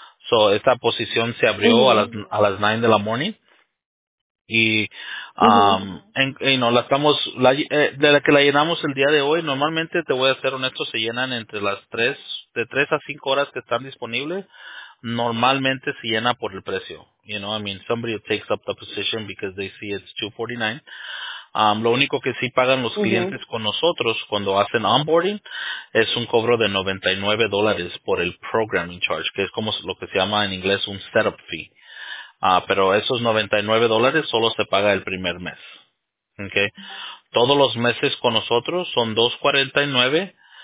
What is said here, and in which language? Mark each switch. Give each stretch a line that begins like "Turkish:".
Spanish: So, esta posición se abrió a las 9 de la morning. Y la llenamos el día de hoy, normalmente te voy a ser honesto, se llenan entre las 3, de 3 a 5 horas que están disponibles, normalmente se llena por el precio.
English: You know, I mean, somebody takes up the position because they see it's $249.
Spanish: Lo único que sí pagan los clientes con nosotros cuando hacen onboarding es un cobro de $99 por el programming charge, que es como lo que se llama en inglés un setup fee. Pero esos $99 solo se paga el primer mes. ¿Okay? Todos los meses con nosotros son $2.49.